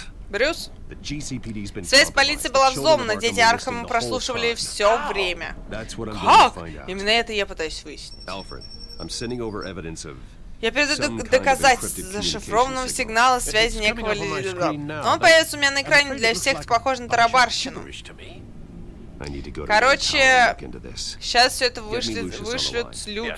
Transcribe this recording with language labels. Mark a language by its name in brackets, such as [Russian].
[Russian] Брюс? Связь с полицией была взломана, дети Архама прослушивали все время. Как? Именно это я пытаюсь выяснить. [English] Alfred, I'm sending over evidence of... [Russian] Я передаю доказательство зашифрованного сигнала связи некого лидера. Он появится у меня на экране для всех, кто похож на тарабарщину. Короче, сейчас все это вышлют Люциусом.